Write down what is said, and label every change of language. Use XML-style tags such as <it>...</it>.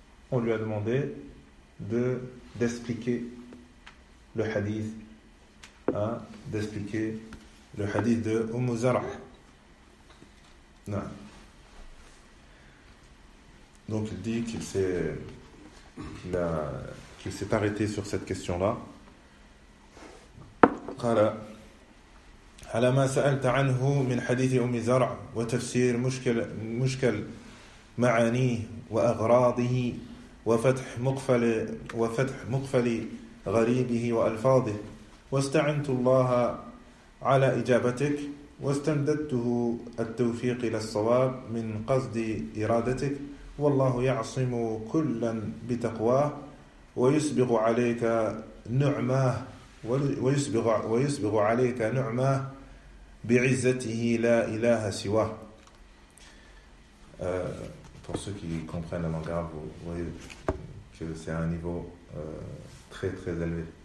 <fr>On lui a demandé d'expliquer le hadith, hein, d'expliquer le hadith de Umm Zahra. Non. Donc il dit qu'il s'est arrêté sur cette question-là. Voilà.</fr> <ar>على ما سألت عنه من حديث أم زرع وتفسير مشكل معانيه وأغراضه وفتح مقفل غريبه وألفاظه واستعنت الله على إجابتك واستمددته التوفيق للصواب من قصد إرادتك والله يعصم كلا بتقواه ويسبغ عليك نعمه ويسبغ عليك نعمه بِعِزَّتِهِ لَا إِلَهَ سِوَا.</ar> <fr>Pour ceux qui comprennent la langue arabe, vous voyez que c'est à un niveau très très élevé.</fr>